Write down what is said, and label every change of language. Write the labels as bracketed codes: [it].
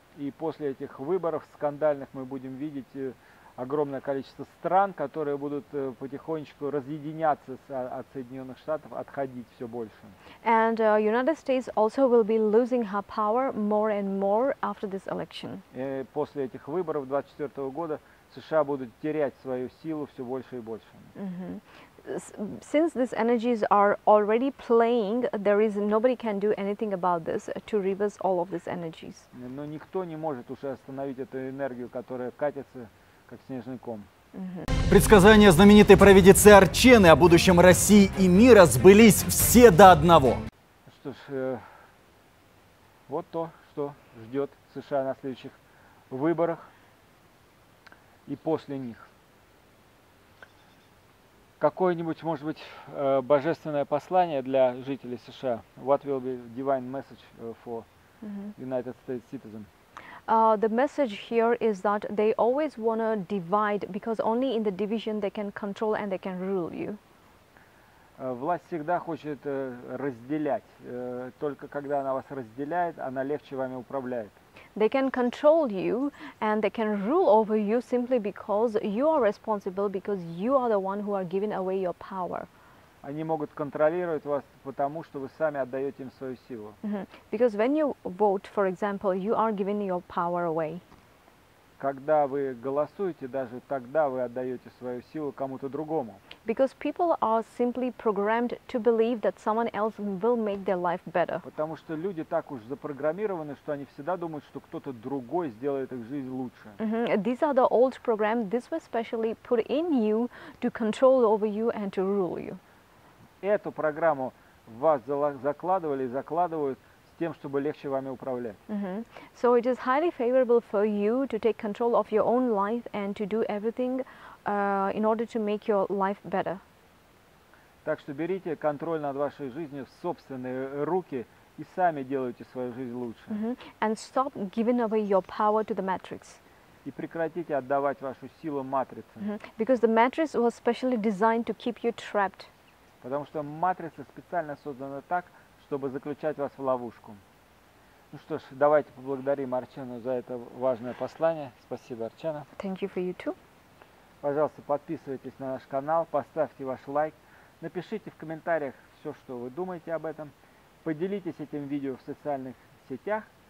[ru] И после этих выборов скандальных мы будем видеть огромное количество стран, которые будут потихонечку разъединяться от Соединенных Штатов, отходить все больше. [en] And United States also will be losing her power more and more after this election. [ru] И после этих выборов 2024 года США будут терять свою силу все больше и больше. [en] Since these energies are already playing, there is nobody can do anything about this to reverse all of these energies. [ru] Но никто не может уже остановить эту энергию, которая катится как снежный ком. Предсказания знаменитой провидицы Арчены о будущем России и мира сбылись все до одного. Что ж, вот то, что ждет США на следующих выборах и после них. Какое-нибудь, может быть, божественное послание для жителей США? [en] What will be divine message for United States citizens? The message here is that they always want to divide, because only in the division they can control and they can rule you. [ru] Власть всегда хочет разделять. Только когда она вас разделяет, она легче вами управляет. [en] They can control you and they can rule over you simply because you are responsible, because you are the one who are giving away your power. [ru] Они могут контролировать вас, потому что вы сами отдаете им свою силу. [en] Because when you vote, for example, you are giving your power away. [ru] Когда вы голосуете, даже тогда вы отдаете свою силу кому-то другому. [en] Because people are simply programmed to believe that someone else will make their life better. [ru] Потому что люди так уж запрограммированы, что они всегда думают, что кто-то другой сделает их жизнь лучше. [en] These are the old programs. This was specially put in you to control over you and to rule you. [ru] Эту программу в вас закладывали и закладывают с тем, чтобы легче вами управлять. [en] So it is highly favorable for you to take control of your own life and to do everything in order to make your life better. [ru] Так что берите контроль над вашей жизнью в собственные руки и сами делайте свою жизнь лучше. [en] And stop giving away your power to the matrix. [ru] И прекратите отдавать вашу силу матрице. [en] Because the matrix was specially designed to keep you trapped. [ru] Потому что матрица специально создана так, чтобы заключать вас в ловушку. Ну что ж, давайте поблагодарим Арчену за это важное послание. Спасибо, Арчена. [en] Thank you for you too. [ru] Пожалуйста, подписывайтесь на наш канал, поставьте ваш лайк, напишите в комментариях все, что вы думаете об этом, поделитесь этим видео в социальных сетях.